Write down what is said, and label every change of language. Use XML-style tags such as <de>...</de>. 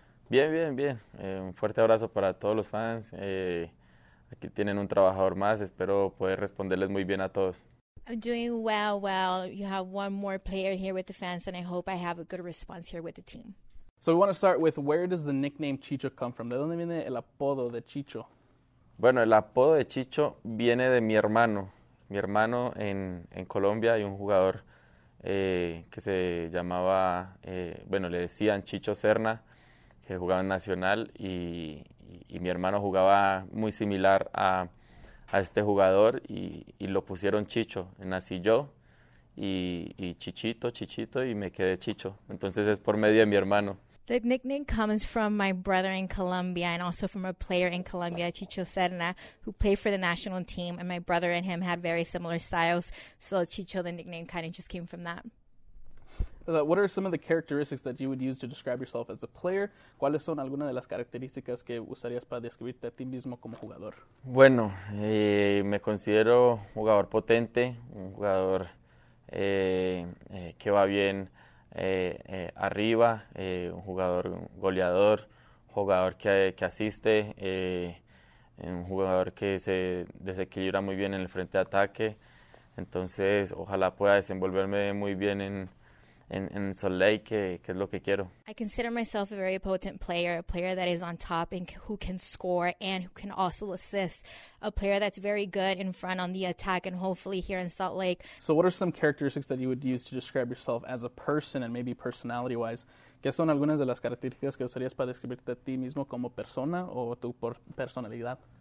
<es>Bien, bien, bien. Un fuerte abrazo para todos los fans. Aquí tienen un trabajador más. Espero poder responderles muy bien a todos.</es> <en>I'm doing well, well. You have one more player here with the fans, and I hope I have a good response here with the team. So we want to start with, where does the nickname Chicho come from?</en> <es>¿De dónde viene el apodo de Chicho? Bueno, el apodo de Chicho viene de mi hermano. Mi hermano en Colombia hay un jugador que se llamaba, le decían Chicho Serna, que jugaba en Nacional, y mi hermano jugaba muy similar a este jugador y lo pusieron Chicho. Nací yo. Y Chichito, y me quedé Chicho. Entonces es por medio de mi hermano.</es> <en>The nickname comes from my brother in Colombia and also from a player in Colombia, Chicho Serna, who played for the national team, and my brother and him had very similar styles. So Chicho, the nickname kind of just came from that. What are some of the characteristics that you would use to describe yourself as a player?</en> <es>¿Cuáles son algunas de las características que usarías para describirte a ti mismo como jugador? Bueno, me considero jugador potente, un jugador... que va bien arriba, un jugador goleador, jugador que asiste, un jugador que se desequilibra muy bien en el frente de ataque. Entonces, ojalá pueda desenvolverme muy bien en Salt Lake, que es lo que quiero.</es> <en>I consider myself a very potent player, a player that is on top and who can score and who can also assist, a player that's very good in front on the attack and hopefully here in Salt Lake. So what are some characteristics that you would use to describe yourself as a person and maybe personality-wise?</en> <es>¿Qué son algunas de las características que usarías para describirte a ti mismo como persona o tu personalidad?</es>